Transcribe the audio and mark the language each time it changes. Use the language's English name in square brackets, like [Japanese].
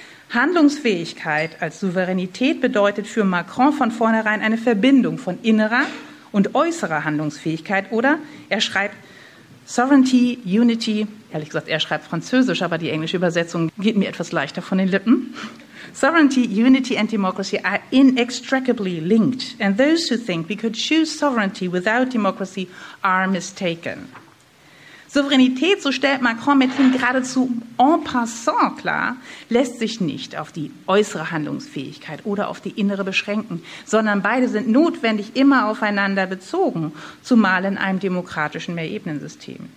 [German] Handlungsfähigkeit als Souveränität bedeutet für Macron von vornherein eine Verbindung von innerer und äußerer Handlungsfähigkeit, oder? Er schreibt [English] Sovereignty, Unity, [German] ehrlich gesagt, er schreibt Französisch, aber die englische Übersetzung geht mir etwas leichter von den Lippen. [English] Sovereignty, unity and democracy are inextricably linked, and those who think we could choose sovereignty without democracy are mistaken. [German] Souveränität, so stellt Macron mithin geradezu en passant klar, lässt sich nicht auf die äußere Handlungsfähigkeit oder auf die innere beschränken, sondern beide sind notwendig immer aufeinander bezogen, zumal in einem demokratischen Mehrebenensystem.